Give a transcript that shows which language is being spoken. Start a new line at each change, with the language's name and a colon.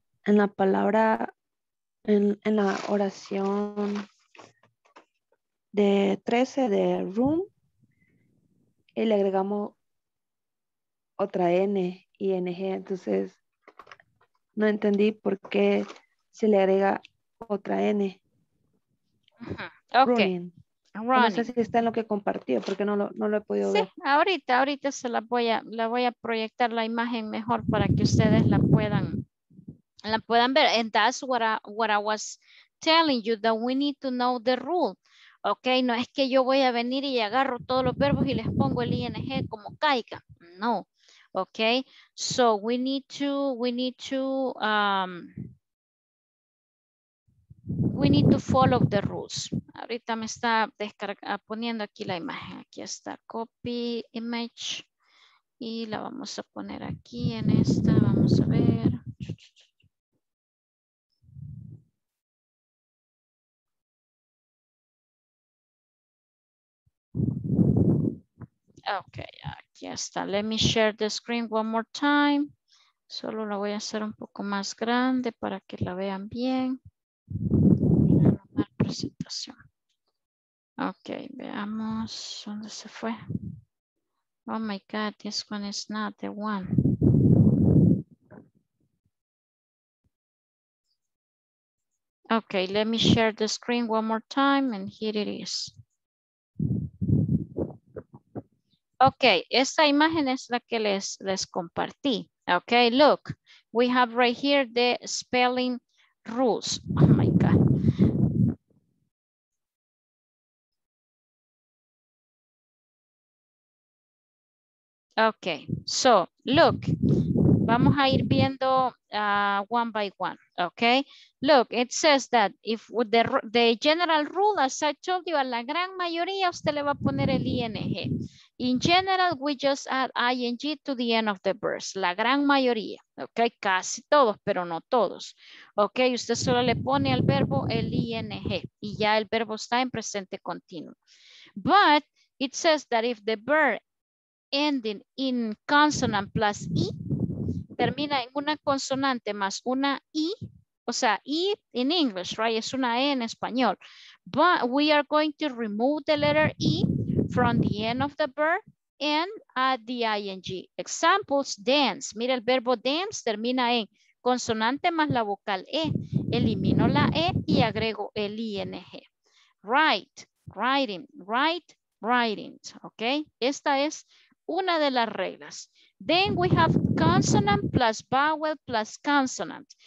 Spanish: En la palabra, en la oración de 13 de room, y le agregamos otra N, ING, entonces no entendí por qué se le agrega otra N. Uh-huh. Okay.
English: Running.
Spanish: No sé si está en lo que compartió, porque no lo he podido sí, ver. Sí, ahorita se la voy a proyectar la imagen mejor para que ustedes la puedan ver.
English: And that's what I was telling you, that we need to know the rule.
Spanish: Ok, no es que yo voy a venir y agarro todos los verbos y les pongo el ING como caiga. No.
English: Ok, so we need to follow the rules.
Spanish: Ahorita me está poniendo aquí la imagen. Aquí está,
English: copy image.
Spanish: Y la vamos a poner aquí en esta. Vamos a ver. Ok, aquí está.
English: Let me share the screen one more time.
Spanish: Solo lo voy a hacer un poco más grande para que la vean bien. Presentación. Ok, veamos dónde se fue.
English: Oh my God, this one is not the one. Ok, let me share the screen one more time and here it is.
Spanish: Ok, esta imagen es la que les compartí.
English: Ok, look, we have right here the spelling rules. Oh my God. Ok, so, look,
Spanish: vamos a ir viendo
English: one by one. Ok, look, it says that if the general rule, as I told you,
Spanish: a la gran mayoría usted le va a poner el ING.
English: In general, we just add ING to the end of the verbs.
Spanish: La gran mayoría, ok, casi todos, pero no todos. Ok, usted solo le pone al verbo el ING y ya el verbo está en presente continuo.
English: But it says that if the verb ending in consonant plus I,
Spanish: termina en una consonante más una I, o sea,
English: I in English, right,
Spanish: es una E en español.
English: But we are going to remove the letter I from the end of the verb and add the ing. Examples, dance.
Spanish: Mira, el verbo dance termina en consonante más la vocal E. Elimino la E y agrego el ing. Write, writing, write, writing. Ok, esta es una de las reglas.
English: Then we have consonant plus vowel plus consonant.